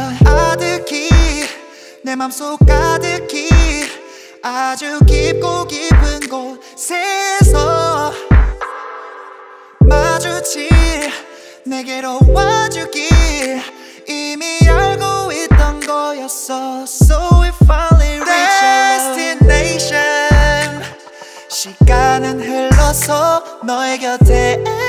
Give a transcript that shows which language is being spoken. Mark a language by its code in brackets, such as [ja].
[ko] 아득히 내 맘속 가득히 아주 깊고 깊은 곳에서 마주칠 내게로 와주길 이미 알고 있던 거였어. [en] So we finally reach destination. [ko] 시간은 흘러서 너의 곁에.